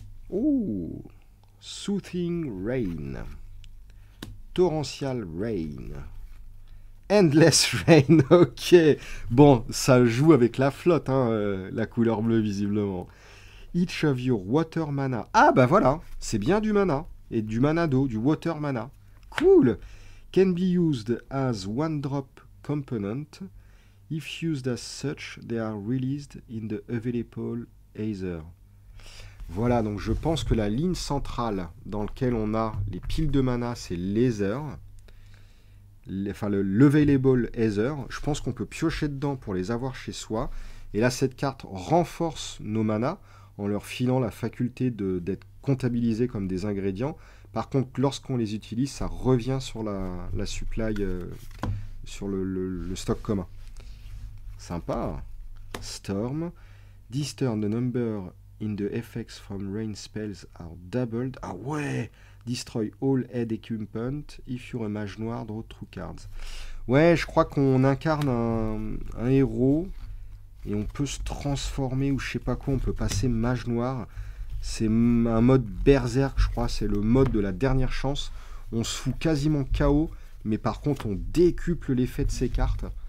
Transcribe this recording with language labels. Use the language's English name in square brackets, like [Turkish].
[French] Oh, Soothing Rain, Torrential Rain, Endless Rain. Ok, bon, ça joue avec la flotte, hein, la couleur bleue, visiblement. [English] Each of your water mana. [French] Ah bah voilà, c'est bien du mana. Et du mana d'eau, du water mana. Cool. [English] Can be used as one drop component. If used as such, they are released in the available aether. [French] Voilà, donc je pense que la ligne centrale dans laquelle on a les piles de mana, c'est l'aether. Enfin, l'available aether. Je pense qu'on peut piocher dedans pour les avoir chez soi. Et là, cette carte renforce nos manas. En leur filant la faculté d'être comptabilisés comme des ingrédients. Par contre, lorsqu'on les utilise, ça revient sur la supply, sur le stock commun. Sympa. Storm. [English] This turn, the number in the effects from rain spells are doubled. [French] Ah ouais! [English] Destroy all head equipment if you're a mage noir, draw two cards. [French] Ouais, je crois qu'on incarne un héros. Et on peut se transformer ou je sais pas quoi, on peut passer mage noir. C'est un mode berserk, je crois, c'est le mode de la dernière chance. On se fout quasiment KO, mais par contre on décuple l'effet de ces cartes.